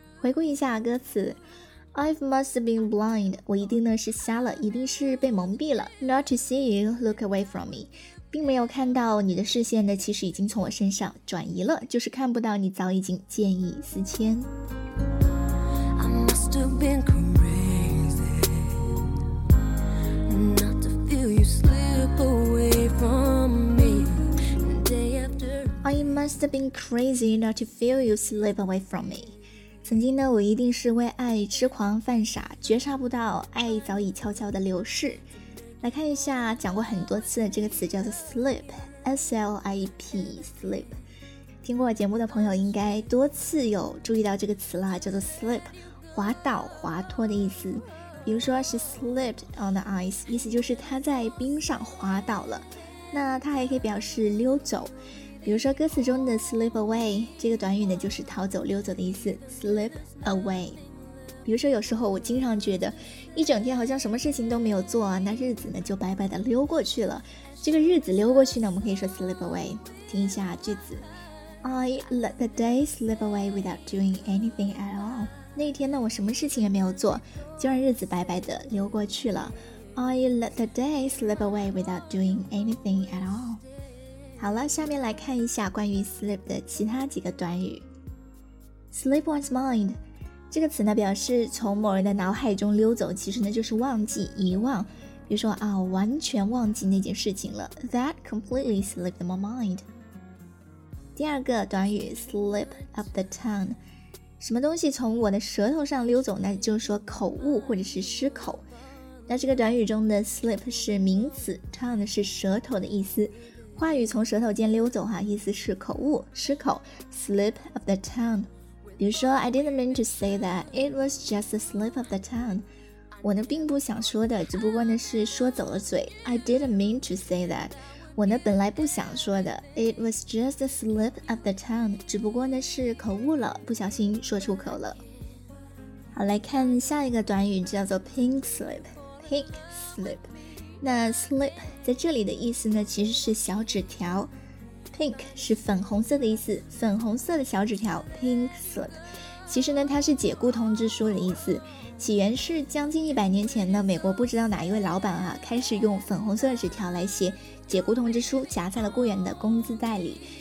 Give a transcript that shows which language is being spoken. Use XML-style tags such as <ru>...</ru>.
<zh>回顾一下歌词，</zh> <en>I must have been blind，</en> <zh>我一定呢是瞎了，一定是被蒙蔽了。</zh> <en>not to see you look away from me，</en> <zh>并没有看到你的视线呢，其实已经从我身上转移了，就是看不到你早已经见异思迁。</zh> <en>I must have been crazy not to feel you slip away from me day after. I must have been crazy not to feel you slip away from me。</en> <zh>曾经呢，我一定是为爱痴狂犯傻，觉察不到爱早已悄悄地流逝。来看一下讲过很多次的这个词叫做 slip， S-L-I-P， slip。听过节目的朋友应该多次有注意到这个词了，叫做 slip， 滑倒滑脱的意思。比如说</zh> <en>she slipped on the ice，</en> <zh>意思就是她在冰上滑倒了。那它还可以表示溜走，比如说歌词中的</zh> <en>slip away，</en> <zh>这个短语呢就是逃走溜走的意思， slip away。比如说有时候我经常觉得一整天好像什么事情都没有做啊，那日子呢就白白的溜过去了。这个日子溜过去呢，我们可以说</zh> <en>slip away。听一下句子， I let the day slip away without doing anything at all。</en> <zh>那一天呢我什么事情也没有做，就让日子白白的溜过去了。</zh> <en>I let the day slip away without doing anything at all。</en> <zh>好了，下面来看一下关于 slip 的其他几个短语。</zh> <en>slip one's mind，</en> <zh>这个词呢表示从某人的脑海中溜走，其实呢就是忘记、遗忘。比如说啊，完全忘记那件事情了，</zh> <en>That completely slipped my mind。</en> <zh>第二个短语</zh> <en>slip of the tongue，</en> <zh>什么东西从我的舌头上溜走，那就是说口误或者是失口。那这个短语中的 slip 是名词， tongue 是舌头的意思，话语从舌头间溜走哈，意思是口误、失口，</zh> <en>slip of the tongue。</en> <zh>比如说</zh> <en>I didn't mean to say that, it was just a slip of the tongue。</en> <zh>我呢并不想说的，只不过呢是说走了嘴。</zh> <en>I didn't mean to say that,</en> <zh>我呢本来不想说的。</zh> <en>It was just a slip of the tongue,</en> <zh>只不过呢是口误了，不小心说出口了。好，来看下一个短语叫做 pink slip。pink slip， 那 slip 在这里的意思呢其实是小纸条。 Pink 是粉红色的意思，粉红色的小纸条 Pink slip。其实呢它是解雇通知书的意思，起源是将近100年前呢，美国不知道哪一位老板啊，开始用粉红色的纸条来写解雇通知书，夹在了雇员的工资袋里，</zh>